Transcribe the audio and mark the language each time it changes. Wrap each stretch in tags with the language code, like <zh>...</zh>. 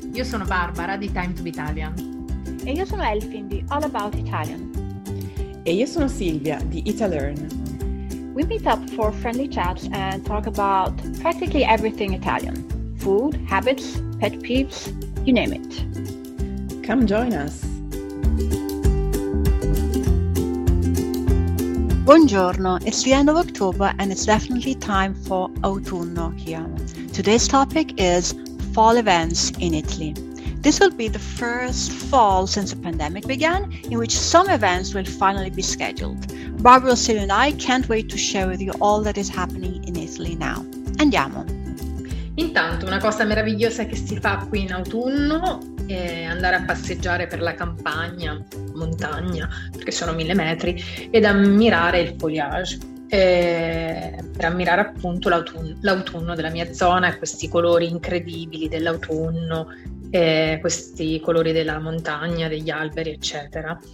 <it>Io sono Barbara di Time to be Italian. E io sono Elfin di All About Italian. E io sono Silvia di Italearn.</it> <en>We meet up for friendly chats and talk about practically everything Italian. Food, habits, pet peeves, you name it. Come join us. Buongiorno, it's the end of October and it's definitely time for autunno here. Today's topic is fall events in Italy. This will be the first fall since the pandemic began, in which some events will finally be scheduled. Barbara, Silvia and I can't wait to share with you all that is happening in Italy now.</en> <it>Andiamo! Intanto, una cosa meravigliosa che si fa qui in autunno è andare a passeggiare per la campagna, montagna, perché sono 1000 metri, ed ammirare il foliage. Per ammirare appunto l'autunno della mia zona e questi colori incredibili dell'autunno, questi colori della montagna, degli alberi, eccetera.</it>